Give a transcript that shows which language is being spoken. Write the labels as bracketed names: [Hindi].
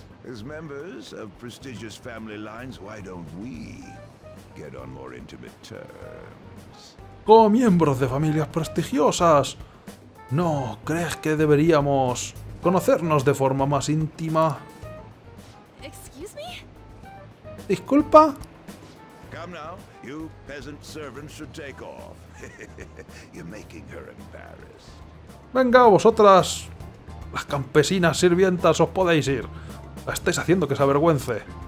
[English] As members of prestigious family lines, why don't we get on more intimate terms? [Spanish] Como miembros de familias prestigiosas, ¿no crees que deberíamos conocernos de forma más íntima? [English] Excuse me? [Spanish] Disculpa. [English] Come now, you peasant servants should take off. You're making her embarrassed. [Spanish] Venga, vosotras, las campesinas sirvientas, os podéis ir. La estáis haciendo que se avergüence.